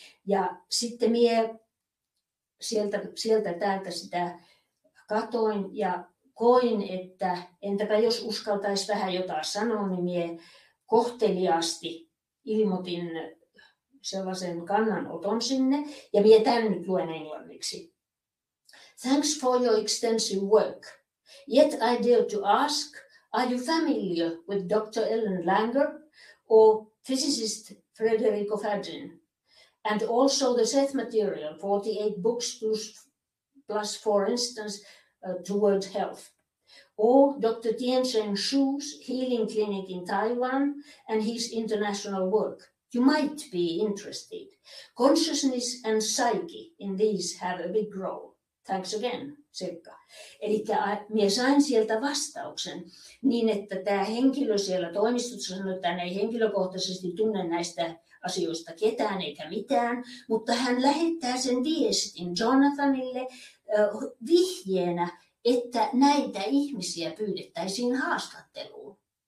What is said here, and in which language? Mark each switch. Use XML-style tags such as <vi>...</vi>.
<fi>Ja sitten mie sieltä täältä sitä katoin ja koin, että entäpä jos uskaltaisi vähän jotain sanoa, niin mie kohteliaasti ilmoitin sellaisen kannanoton sinne, ja mie tämän nyt luen englanniksi.</fi> <en>Thanks for your extensive work. Yet I dare to ask, are you familiar with Dr. Ellen Langer or physicist Federico Fagin? And also the Seth material, 48 books plus for instance, Towards Health. Or Dr. Tiancheng Shu's healing clinic in Taiwan and his international work. You might be interested. Consciousness and psyche in these have a big role. Thanks again, Sirkka.</en> <fi>Eli minä sain sieltä vastauksen niin, että tämä henkilö siellä toimistossa sanoi, että hän ei henkilökohtaisesti tunne näistä asioista ketään eikä mitään, mutta hän lähettää sen viestin Jonathanille vihjeenä, että näitä ihmisiä pyydettäisiin haastatteluun.</fi>